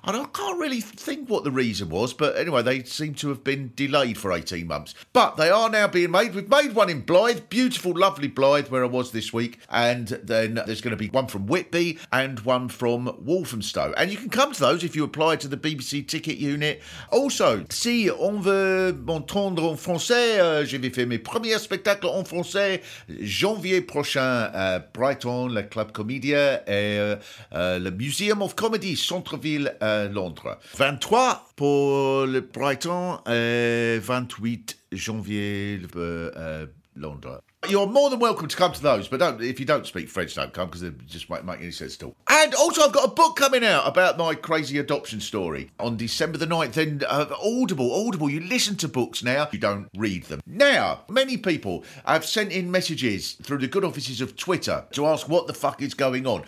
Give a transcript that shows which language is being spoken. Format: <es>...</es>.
<en>And I can't really think what the reason was, but anyway, they seem to have been delayed for 18 months. But they are now being made. We've made one in Blyth, beautiful, lovely Blyth, where I was this week. And then there's going to be one from Whitby and one from Walthamstow. And you can come to those if you apply to the BBC ticket unit.</en> <fr>Also, si on veut m'entendre en français, je vais faire mes premiers spectacles en français janvier prochain à Brighton, le Club Comédia et le Museum of Comedy, Centreville, Londres. 23 pour le Brighton et 28 janvier Londres.</fr> <en>You're more than welcome to come to those, but don't, if you don't speak French, don't come, because it just won't make any sense at all. And also, I've got a book coming out about my crazy adoption story on December the 9th. Then Audible, you listen to books now, you don't read them. Now, many people have sent in messages through the good offices of Twitter to ask what the fuck is going on.</en>